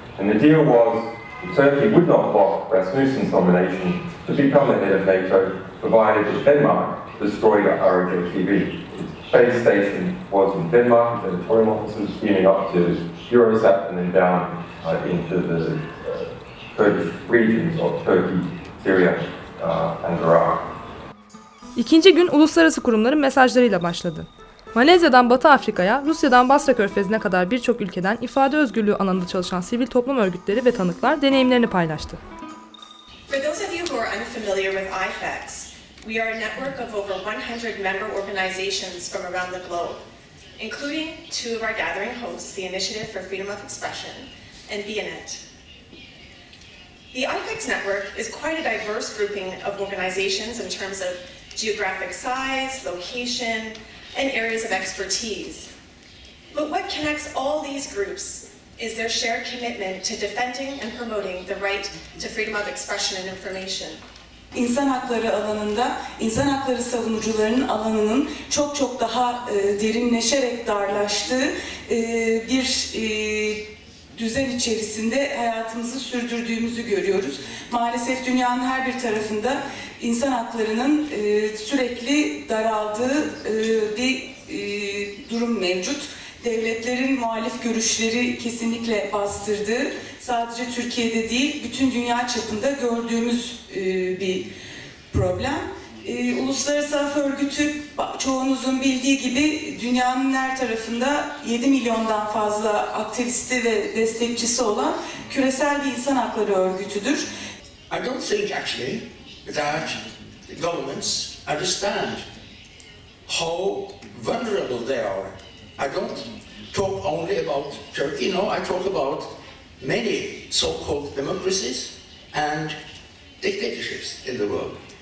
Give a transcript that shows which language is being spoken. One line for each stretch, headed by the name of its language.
English: And the deal was that Turkey would not block Rasmussen's nomination to become the head of NATO, provided that Denmark destroyed ROJ TV. Its base station was in Denmark, its editorial offices beaming up to Eurosat and then down into the Kurdish regions of Turkey, Syria, and Iraq.
Turkish: İkinci gün uluslararası kurumların mesajlarıyla başladı. Malezya'dan Batı Afrika'ya, Rusya'dan Basra Körfezi'ne kadar birçok ülkeden ifade özgürlüğü alanında çalışan sivil toplum örgütleri ve tanıklar deneyimlerini paylaştı.
English: For those of you who are unfamiliar with IFEX, we are a network of over 100 member organizations from around the globe, including two of our gathering hosts, the Initiative for Freedom of Expression and BNet. The IFEX network is quite a diverse grouping of organizations in terms of geographic size, location, and areas of expertise. But what connects all these groups is their shared commitment to defending and promoting the right to freedom of expression and information.
Turkish: İnsan hakları alanında insan hakları savunucularının alanının çok çok daha derinleşerek darlaştığı bir düzen içerisinde hayatımızı sürdürdüğümüzü görüyoruz. Maalesef dünyanın her bir tarafında insan haklarının sürekli daraldığı bir durum mevcut. Devletlerin muhalif görüşleri kesinlikle bastırdığı, sadece Türkiye'de değil, bütün dünya çapında gördüğümüz bir problem. Uluslararası Af Örgütü, çoğunuzun bildiği gibi dünyanın her tarafında 7 milyondan fazla aktivisti ve destekçisi olan küresel bir insan hakları örgütüdür.
English: I don't think actually that governments understand how vulnerable they are. I don't talk only about Turkey, no, I talk about many so-called democracies and dictatorships in the world.